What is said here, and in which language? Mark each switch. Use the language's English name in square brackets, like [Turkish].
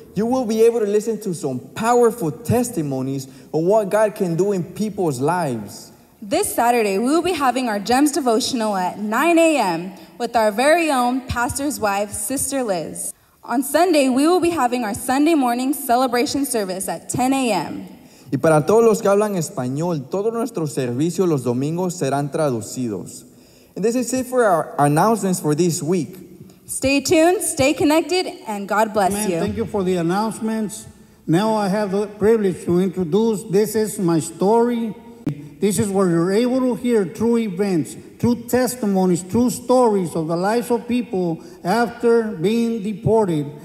[English] You will be able to listen to some powerful testimonies on what God can do in people's lives. This Saturday, we will be having our GEMS devotional at 9 a.m. with our very own pastor's wife, Sister Liz. On Sunday, we will be having our Sunday morning celebration service at 10 a.m. [Spanish] Y para todos los que hablan español, todos nuestros servicios los domingos serán traducidos. [English] And this is it for our announcements for this week. Stay tuned, stay connected, and God bless Amen. You. Thank you for the announcements. Now I have the privilege to introduce This Is My Story. This is where you're able to hear true events, true testimonies, true stories of the lives of people after being deported.